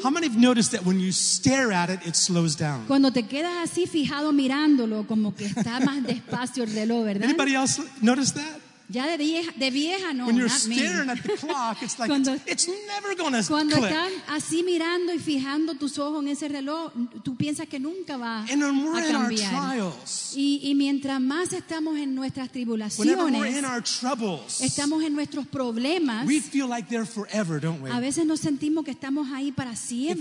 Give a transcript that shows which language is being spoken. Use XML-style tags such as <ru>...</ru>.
<en>how many have noticed that when you stare at it, it slows down?</en> <es>Cuando te quedas así fijado mirándolo, como que está más despacio el reloj, ¿verdad?</es> <en>Anybody else notice that?</en> <es>Ya de vieja, no.</es> <en>When you're staring at the clock, it's like it's never gonna click.</en> <es>Cuando estás así mirando y fijando tus ojos en ese reloj, tú piensas que nunca va a cambiar. Y mientras más estamos en nuestras tribulaciones,</es> <en>we're in our troubles,</en> <es>estamos en nuestros problemas,</es> <en>we feel like they're forever, don't we?</en> <es>A veces nos sentimos que estamos ahí para siempre.</es>